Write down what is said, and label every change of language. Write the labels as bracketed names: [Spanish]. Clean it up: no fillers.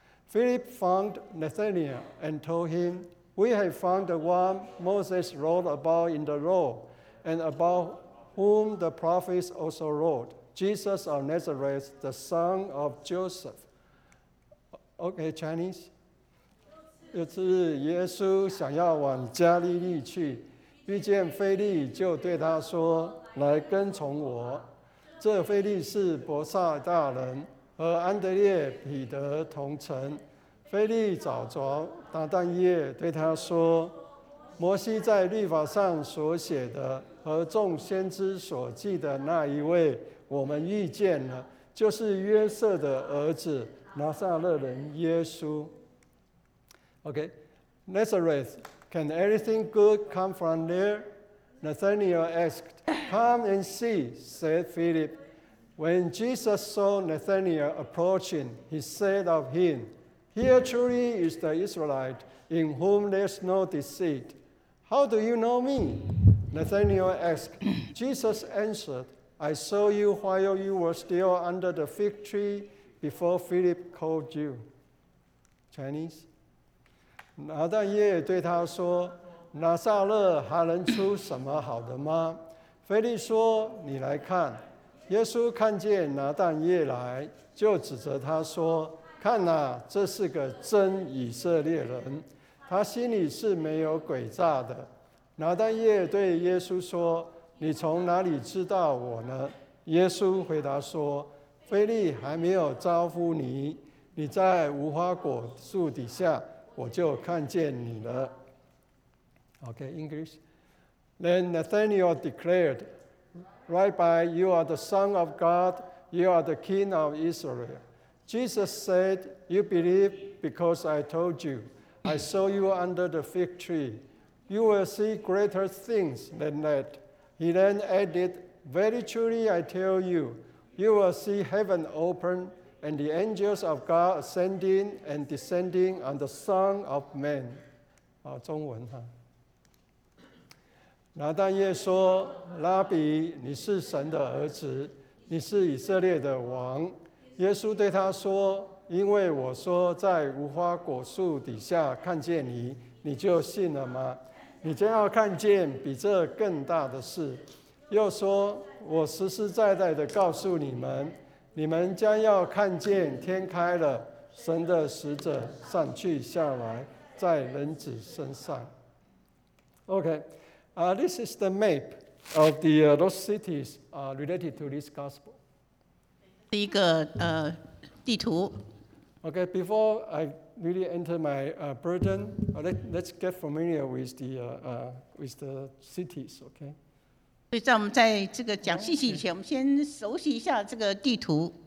[English] Philip found Nathanael and told him, "We have found the one Moses wrote about in the law, and about whom the prophets also wrote, Jesus of Nazareth, the son of Joseph." Okay, Chinese. [Chinese] 就是耶稣想要往加利利去，遇见腓力，就对他说：“来跟从我。” 这腓力是伯萨大人，和安德烈、彼得同城。腓力找着拿但业，对他说：“摩西在律法上所写的，和众先知所记的那一位，我们遇见了，就是约瑟的儿子拿撒勒人耶稣。” [English] Okay, Nazareth, can anything good come from there? Nathanael asked. "Come and see," said Philip. When Jesus saw Nathanael approaching, he said of him, "Here truly is the Israelite in whom there's no deceit." "How do you know me?" Nathanael asked. Jesus answered, "I saw you while you were still under the fig tree before Philip called you." Chinese. [Chinese] 拿但业对他说，拿撒勒还能出什么好的吗？腓力说，你来看。耶稣看见拿但业来，就指着他说，看啊，这是个真以色列人，他心里是没有诡诈的。拿但业对耶稣说，你从哪里知道我呢？耶稣回答说，腓力还没有招呼你，你在无花果树底下，我就看见你了。 [English] Okay, English. Then Nathanael declared, "Rabbi, you are the Son of God, you are the King of Israel." Jesus said, "You believe because I told you, I saw you under the fig tree. You will see greater things than that." He then added, "Very truly I tell you, you will see heaven open, and the angels of God ascending and descending on the Son of Man." [Chinese] 中文哈。拿但业说，拉比，你是神的儿子，你是以色列的王。耶稣对他说，因为我说在无花果树底下看见你，你就信了吗？你将要看见比这更大的事。又说，我实实在在的告诉你们，你们将要看见天开了，神的使者上去下来，在人子身上。 [English] Okay, this is the map of the those cities related to this gospel. [Chinese] 第一个地图。 [English] Okay, before I really enter my burden, let's get familiar with the cities. Okay. [Chinese] 所以在我们在这个讲信息以前，我们先熟悉一下这个地图。